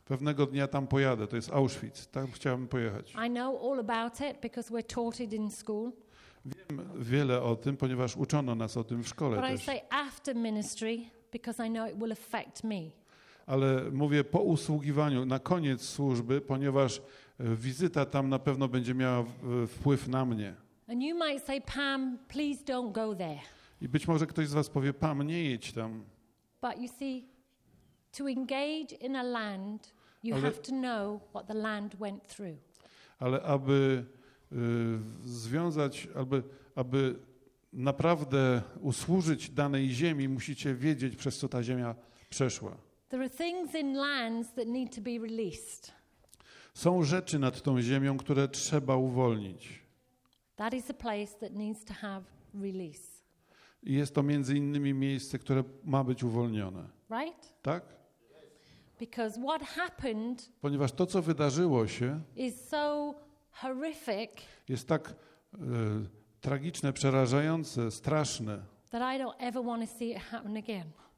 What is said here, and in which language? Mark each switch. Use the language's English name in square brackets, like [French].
[Polish] Pewnego dnia tam pojadę, to jest Auschwitz. Tam chciałbym pojechać. [English] I know all about it because we're taught it in school. [Polish] Wiem wiele o tym, ponieważ uczono nas o tym w szkole. [English] But [Polish] też. [English] I say after ministry because I know it will affect me. [Polish] Ale mówię po usługiwaniu, na koniec służby, ponieważ wizyta tam na pewno będzie miała wpływ na mnie. [English] And you might say, Pam, please don't go there. [Polish] I być może ktoś z was powie, Pam, nie jedź tam. [English] But you see, to engage in a land, you have to know what the land went through. [Polish] Ale aby związać, aby naprawdę usłużyć danej ziemi, musicie wiedzieć, przez co ta ziemia przeszła. [English] There are things in lands that need to be released. [Polish] Są rzeczy nad tą ziemią, które trzeba uwolnić. [English] That is a place that needs to have release. [Polish] Jest to między innymi miejsce, które ma być uwolnione. [English] Right? [Polish] Tak? [English] Because what happened, [Polish] ponieważ to, co wydarzyło się, [English] is so horrific, [Polish] jest tak tragiczne, przerażające, straszne, [English] that I don't ever want to see it happen again.